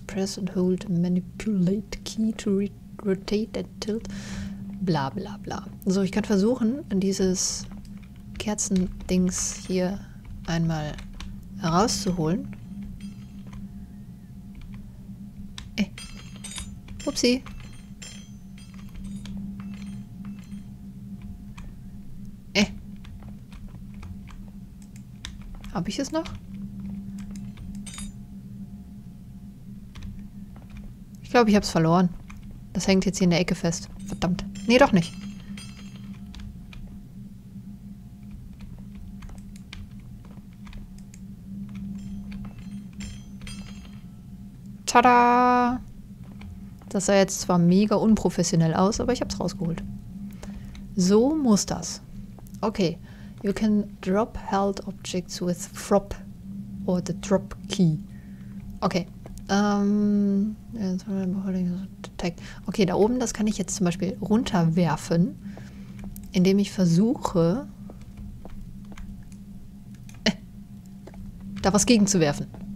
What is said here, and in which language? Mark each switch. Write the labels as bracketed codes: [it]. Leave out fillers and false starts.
[en] Press and hold manipulate key to rotate and tilt. Bla bla bla. [de] So, ich kann versuchen, dieses Kerzendings hier einmal herauszuholen. Upsi. Habe ich es noch? Ich glaube, ich habe es verloren. Das hängt jetzt hier in der Ecke fest. Verdammt. Nee, doch nicht. Tada! Das sah jetzt zwar mega unprofessionell aus, aber ich habe es rausgeholt. So muss das. Okay. [en] You can drop held objects with FROP or the drop key. [de] Okay. Okay, da oben, das kann ich jetzt zum Beispiel runterwerfen, indem ich versuche, da was gegenzuwerfen.